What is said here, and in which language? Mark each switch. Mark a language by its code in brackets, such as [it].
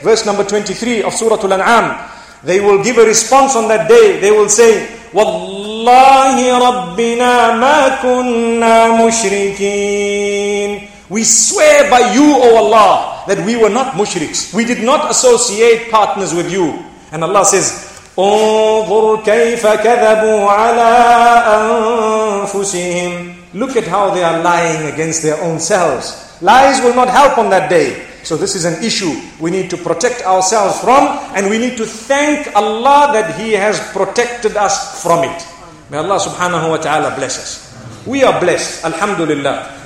[en] Verse number 23 of Suratul An'am. They will give a response on that day. They will say, [ar] وَاللَّهِ رَبِّنَا مَا كُنَّا مُشْرِكِينَ. [en] We swear by you, O Allah, that we were not mushriks. We did not associate partners with you. And Allah says, [ar] انظر كيف كذبوا على أنفسهم. [en] Look at how they are lying against their own selves. Lies will not help on that day. So this is an issue we need to protect ourselves from, and we need to thank Allah that He has protected us from it. May Allah subhanahu wa ta'ala bless us. We are blessed, alhamdulillah.